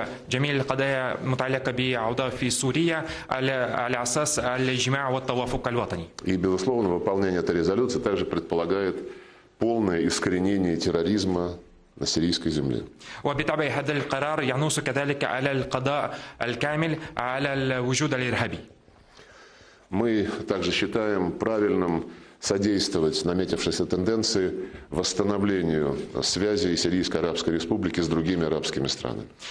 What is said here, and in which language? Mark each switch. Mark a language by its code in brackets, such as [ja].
[ar] جميع القضايا المتعلقه بعوضه في سوريا على اساس الاجماع والتوافق الوطني. [ru] И безусловно, выполнение этой резолюции также предполагает полное искоренение терроризма на сирийской земле. [ar] وبالطبع هذا القرار ينص كذلك على القضاء الكامل على الوجود الارهابي. [ru] Мы также считаем правильным содействовать наметившейся тенденции восстановлению связи Сирийской Арабской Республики с другими арабскими странами.